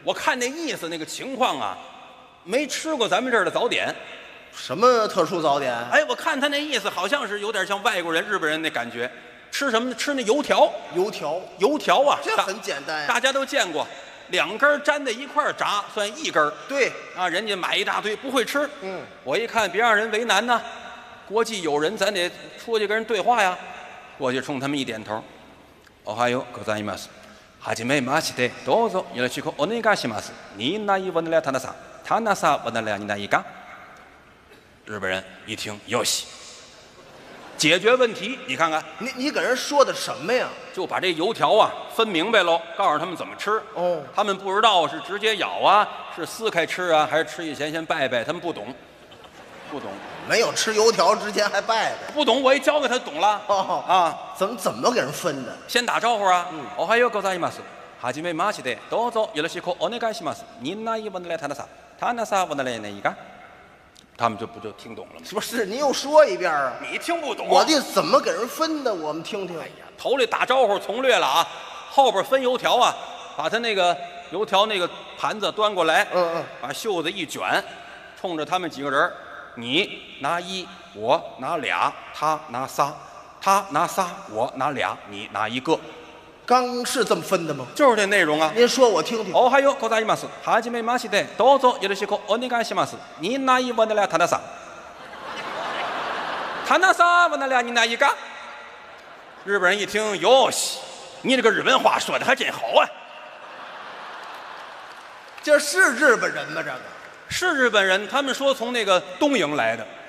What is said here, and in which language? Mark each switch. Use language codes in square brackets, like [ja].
[zh] 我看那意思那个情况啊，没吃过咱们这儿的早点。什么特殊早点？哎，我看他那意思好像是有点像外国人、日本人那感觉。吃什么？吃那油条。油条。油条啊，这很简单、大家都见过。两根粘在一块炸算一根儿，对啊，人家买一大堆不会吃。嗯，我一看别让人为难呢，国际友人咱得出去跟人对话呀，过去冲他们一点头， [ja] おはようございます、はじめまして、どうぞよろしくお願いします。 [zh] 你哪一问了他那啥，他那啥问了你哪一个。日本人一听， [ja] よし， [zh] 解决问题。你看看你给人说的什么呀，就把这油条啊分明白喽，告诉他们怎么吃。哦，他们不知道是直接咬啊，是撕开吃啊，还是吃以前先拜拜，他们不懂。不懂，没有吃油条之前还拜拜，不懂。我一教给他懂了。哦啊，怎么给人分的，先打招呼啊。嗯， [ja] おはようございます、はじめまして、どうぞよろしくお願いします。 [zh] 你哪一问的来他那啥，他那啥问的来哪一个。他们就听懂了吗？是不是，您又说一遍啊。你听不懂、我的怎么给人分的，我们听听。哎呀，头里打招呼从略了啊，后边分油条啊，把他那个油条那个盘子端过来。嗯嗯，把袖子一卷，冲着他们几个人，你拿一，我拿俩，他拿仨，他拿仨，我拿俩，你拿一个。刚是这么分的吗？就是这内容啊，您说我听听。 [ja] おはようございます、はじめまして、どうぞよろしくお願いします。 [zh] 你哪一问的了他那啥，他那啥问的了你哪一个。日本人一听，哟西，你这个日本话说的还真好啊。这是日本人吗？这个是日本人，他们说从那个东营来的。